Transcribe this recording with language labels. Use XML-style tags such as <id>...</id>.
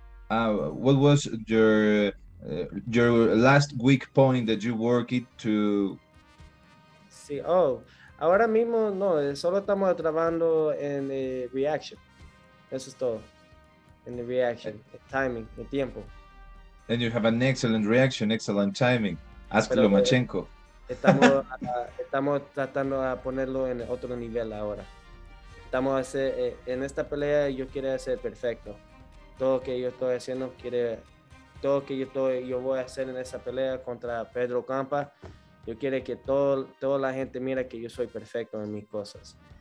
<en>What was your last weak point that you worked it to?</en> <es>Sí, ahora mismo no, solo estamos trabajando en reaction. Eso es todo. En</es> <en>the reaction,</en> <es>el timing, el tiempo.</es> <en>And you have an excellent reaction, excellent timing. Ask Pero Lomachenko.</en> <es>Estamos tratando de ponerlo en otro nivel ahora. Estamos en esta pelea yo quiero hacer perfecto. Todo que yo estoy haciendo, yo voy a hacer en esa pelea contra Pedro Campa, yo quiero que toda la gente mire que yo soy perfecto en mis cosas.</es>